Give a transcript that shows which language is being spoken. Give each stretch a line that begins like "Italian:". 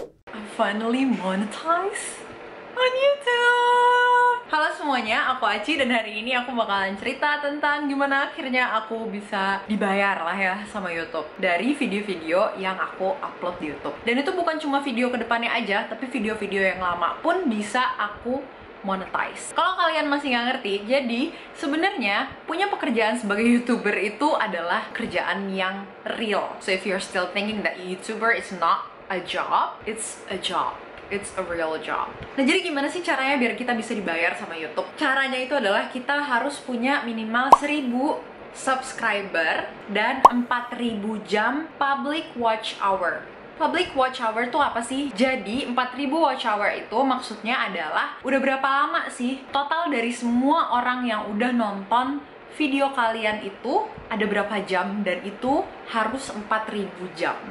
English: I'm finally monetized on YouTube.
Indonesian: Halo semuanya, aku Aci dan hari ini aku bakalan cerita tentang gimana akhirnya aku bisa dibayar lah ya sama YouTube dari video-video yang aku upload di YouTube. Dan itu bukan cuma video kedepannya aja, tapi video-video yang lama pun bisa aku monetize. Kalau kalian masih nggak ngerti, jadi sebenarnya punya pekerjaan sebagai YouTuber itu adalah kerjaan yang real.
English: So if you're still thinking that YouTuber is not a job, it's a job. It's a real job.
Indonesian: Nah, jadi gimana sih caranya biar kita bisa dibayar sama YouTube? Caranya itu adalah kita harus punya minimal 1000 subscriber dan 4000 jam public watch hour. Public watch hour itu apa sih? Jadi 4000 watch hour itu maksudnya adalah udah berapa lama sih total dari semua orang yang udah nonton video kalian itu ada berapa jam, dan itu harus 4000 jam.